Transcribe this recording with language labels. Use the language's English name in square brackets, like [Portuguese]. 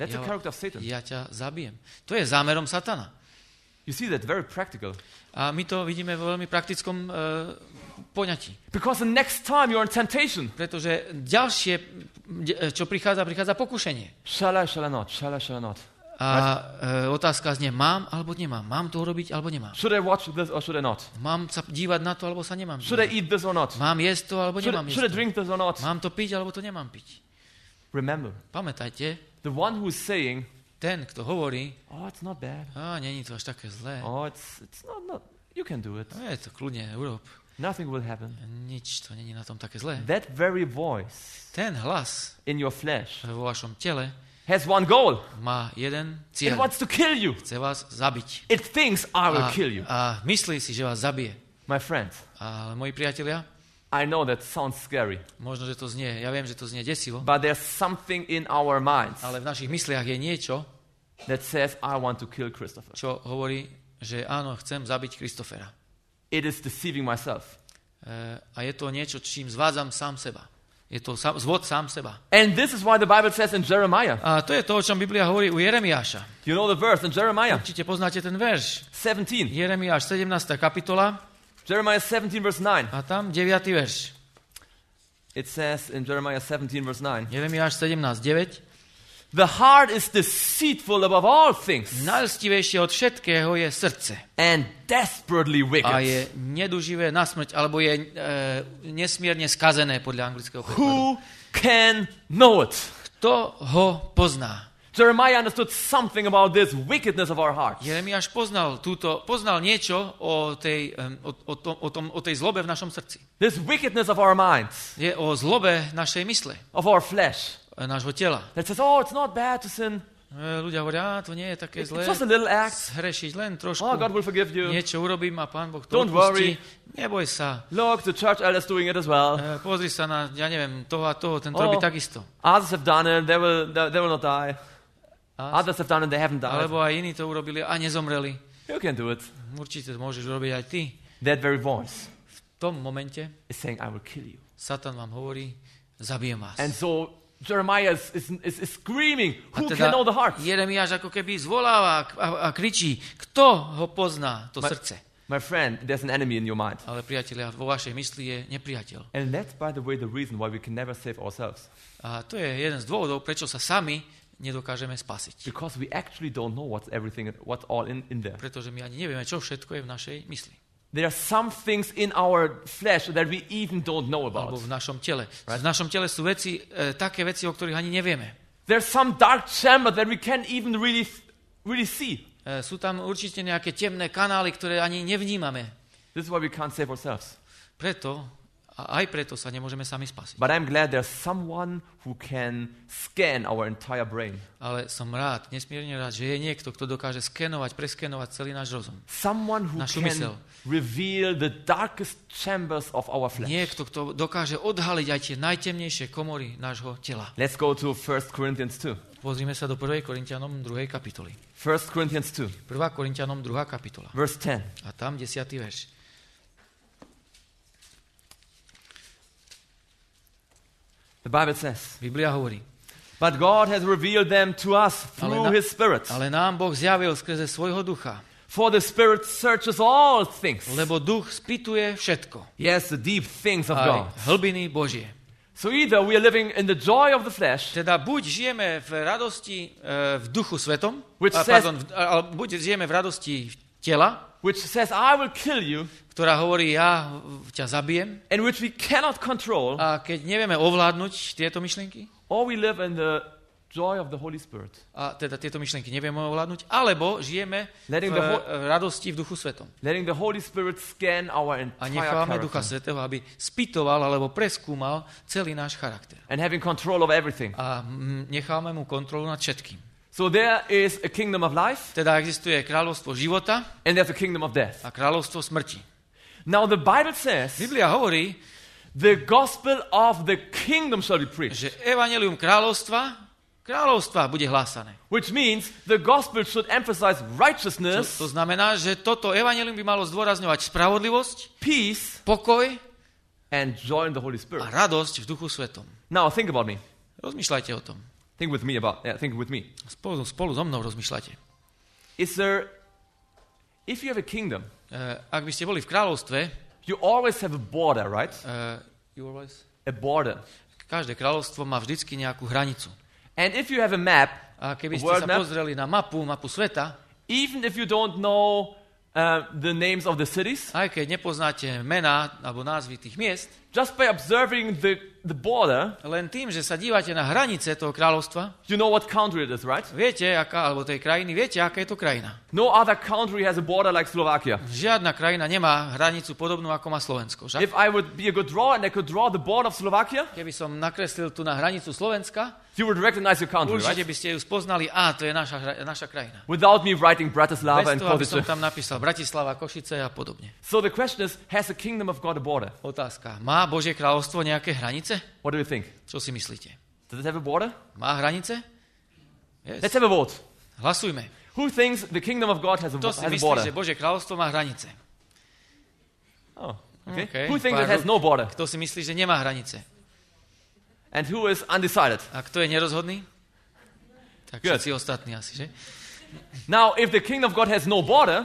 [English] that's the character of Satan. [Slovak] Ja ťa zabijem. To je zámerom Satana. [English] You see that very practical. [Slovak] A my to vidíme vo veľmi praktickom poňatí. [English] Because the next time you're in temptation. [Slovak] Pretože ďalšie, čo prichádza, prichádza pokušenie. [English] Shall I not? [Slovak] A otázka znie, mám alebo nemám? Mám to urobiť alebo nemám? [English] Should I watch this or should I not? [Slovak] Mám sa dívať na to alebo sa nemám? [English] Should I eat this or not? [Slovak] Mám jesť to alebo nemám jesť? [English] Should I drink this or not? [Slovak] Mám to piť alebo to nemám piť? [English] Remember. [Slovak] Pamätajte. [English] The one who is saying. [Slovak] Ten, kto hovorí. [English] Oh, it's not bad. [Slovak] Oh, není to až také zlé. [English] Oh, it's not. You can do it. [Slovak] Je to kľudne, urob. [English] Nothing will happen. [Slovak] Nič to není na tom také zlé. [English] That very voice. [Slovak] Ten hlas. [English] In your flesh. [Slovak] Vo vašom tele. [English] Has one goal. [Slovak] Má jeden cieľ. [English] It wants to kill you. [Slovak] Chce vás zabiť. [English] It thinks I will kill you. [Slovak] A myslí si, že vás zabije. [English] My friend. [Slovak] Ale moji priatelia. [English] I know that sounds scary. [Slovak] Možno, že to znie. Ja viem, že to znie desivo. [English] But there's something in our minds. [Slovak] Ale v našich mysliach je niečo. [English] That says I want to kill Christopher. [Slovak] Čo hovorí, že áno, chcem zabiť Christophera. [English] It is deceiving myself. [Slovak] A je to niečo, čím zvádzam sám seba. Je to sám, zvod sám seba. [English] And this is why the Bible says in Jeremiah. [Slovak] A to je to, o čom Biblia hovorí u Jeremiáša. [English] You know the verse in Jeremiah. [Slovak] Určite poznáte ten verš. [English] 17. [Slovak] Jeremiáš 17. kapitola. [English] Jeremiah 17 verse 9. [Slovak] A tam 9. verš. [English] It says in Jeremiah 17 verse 9. [Slovak] Jeremiáš 17:9. [English] The heart is deceitful above all things. [Slovak] Najlstivejšie od všetkého je srdce. [English] And desperately wicked. [Slovak] A je neduživé na smrť, alebo je nesmierne skazené podľa anglického prekladu. [English] Who can know it? [Slovak] Kto ho pozná? [English] Jeremiah understood something about this wickedness of our hearts. [Slovak] Jeremiáš poznal túto, poznal niečo o tej zlobe v našom srdci. [English] This wickedness of our minds. [Slovak] Je o zlobe našej mysle. [English] Of our flesh. [Slovak] Nášho tela. [English] That says, oh, it's not bad to sin. [Slovak] Ľudia hovoria, to nie je také zlé. [English] It's just a little act. [Slovak] Zhrešiť len trošku. [English] Oh, God will forgive you. [Slovak] Niečo urobím a Pán Boh to odpustí. [English] Don't worry. [Slovak] Neboj sa. [English] Look, the church elder is doing it as well. [Slovak] Pozri sa na, ja neviem, toho a toho, ten to robí takisto. [English] Others have done it, they will not die. Others have done it, they haven't died. [Slovak] Alebo aj iní to urobili a nezomreli. [English] You can do it. [Slovak] Určite to môžeš urobiť aj ty. [English] That very voice. [Slovak] V tom momente. [English] Is saying, I will kill you. [Slovak] Satan vám hovorí, zabijem vás. [English] And so Jeremiah is screaming, who [Slovak] teda [English] can know the heart? [Slovak] Jeremiáš ako keby zvoláva a kričí, kto ho pozná to srdce? [English] My friend, there's an enemy in your mind. [Slovak] Ale priatelia, vo vašej mysli je nepriateľ. [English] And that's by the way the reason why we can never save ourselves. [Slovak] A to je jeden z dôvodov, prečo sa sami nedokážeme spasiť. [English] Because we actually don't know what's everything, what's all in there. [Slovak] Pretože my ani nevieme, čo všetko je v našej mysli. [English] There are some things in our flesh that we even don't know about. [Slovak] Alebo v našom tele. [English] Right? [Slovak] V našom tele sú veci, také veci, o ktorých ani nevieme. [English] There's some dark chamber that we can't even really see. [Slovak] Sú tam určite nejaké temné kanály, ktoré ani nevnímame. [English] This is why we can't save ourselves. [Slovak] Preto, a aj preto sa nemôžeme sami spasiť. [English] But I'm glad there's someone who can scan our entire brain. [Slovak] Ale som rád, nesmierne rád, že je niekto, kto dokáže skenovať, preskenovať celý náš rozum. [English] Someone who can [Slovak] myseľ. [English] Reveal the darkest chambers of our flesh. [Slovak] Niekto, kto dokáže odhaliť aj tie najtemnejšie komory nášho tela. [English] Let's go to 1 Corinthians 2. [Slovak] Pozrime sa do 1. Korintianom 2. kapitoly. [English] 1 Corinthians 2. [Slovak] 1. Korintianom 2. kapitola. [English] Verse 10. [Slovak] A tam 10. verš. [English] The Bible says. [Slovak] Biblia hovorí. [English] But God has revealed them to us through his spirit. [Slovak] Ale nám Boh zjavil skrze svojho ducha. [English] For the spirit searches all things. [Slovak] Lebo duch spituje všetko. [English] Yes, the deep things of God. [Slovak] Hlbiny Božie. [English] So either we are living in the joy of the flesh. [Slovak] Teda buď žijeme v radosti v duchu svetom, buď žijeme v radosti tela. [English] Which says I will kill you, [Slovak] ktorá hovorí ja ťa zabijem. [English] And which we cannot control. [Slovak] A keď nevieme ovládnuť tieto myšlienky? [English] Or we live in the joy of the Holy Spirit. [Slovak] A teda tieto myšlienky nevieme ovládnuť, alebo žijeme v radosti v duchu svetom. [English] Letting the Holy Spirit scan our entire [Slovak] character. A nechávame ducha svetého, aby spitoval alebo preskúmal celý náš charakter. [English] And having control of everything. [Slovak] A nechávame mu kontrolu nad všetkým. [English] So there is a kingdom of life. [Slovak] Teda existuje kráľovstvo života. [English] And there's a kingdom of death. [Slovak] A kráľovstvo smrti. [English] Now the Bible says. [Slovak] Biblia hovorí, [English] the gospel of the kingdom shall be preached. [Slovak] Že evanjelium kráľovstva bude hlásané. [English] Which means the gospel should emphasize righteousness. [Slovak] To znamená, že toto evanjelium by malo zdôrazňovať spravodlivosť, [English] peace, [Slovak] pokoj [English] and joy in the Holy Spirit. [Slovak] A radosť v duchu svetom. [English] Now think about me. [Slovak] Rozmýšľajte o tom. [English] Think with me about. Yeah, think with me. [Slovak] Spolu so mnou rozmýšľate. [English] Is there If you have a kingdom, [Slovak] ak by ste boli v kráľovstve, [English] you always have a border, right? You always a border. [Slovak] Každé kráľovstvo má vždycky nejakú hranicu. [English] And if you have a map, [Slovak] a keby ste sa pozreli na mapu, mapu sveta, [English] even if you don't know the names of the cities, [Slovak] aj keď nepoznáte mená alebo názvy tých miest, [English] just by observing the border, [Slovak] len tým, že sa dívate na hranice toho kráľovstva, [English] you know what country it is, right? [Slovak] Viete, aká, alebo tej krajiny, viete, aká je to krajina. [English] No other country has a border like Slovakia. [Slovak] Žiadna krajina nemá hranicu podobnú, ako má Slovensko, že? [English] If I would be a good drawer and I could draw the border of Slovakia, [Slovak] keby som nakreslil tu na hranicu Slovenska, [English] you would recognize your country, [Slovak] určite By ste ju spoznali, a to je naša krajina. [English] Without me writing Bratislava and Košice. [Slovak] Bez toho, aby som tam napísal Bratislava, Košice a podobne. [English] So the question is, has the kingdom of God a border? [Slovak] Otázka, má Božie kráľovstvo nejaké hranice? [English] What do you think? [Slovak] Čo si myslíte? [English] Does it have a border? [Slovak] Má hranice? [English] Yes. Let's have a vote. [Slovak] Hlasujme. [English] Who thinks the kingdom of God has a border? [Slovak] Kto si myslí, že Božie kráľovstvo má hranice? [English] Oh, okay. Okay. Who thinks it has no border? [Slovak] Kto si myslí, že nemá hranice? [English] And who is undecided? [Slovak] A kto je nerozhodný? Tak všetci ostatní asi, že? [English] Now, if the kingdom of God has no border,